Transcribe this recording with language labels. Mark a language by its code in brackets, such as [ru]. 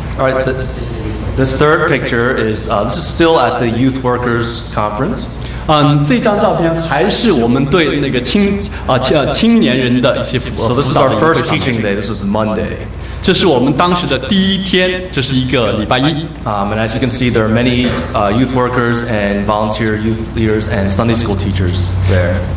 [en] All right, this third picture is this is still at the Youth Workers Conference. [zh] 这张照片还是我们对那个青年人的一些服饰。 [en] So this is our first teaching day. This was Monday. [zh] 这是我们当时的第一天，这是一个礼拜一。 [en] And as you can see, there are many youth workers and volunteer youth leaders and Sunday school teachers there.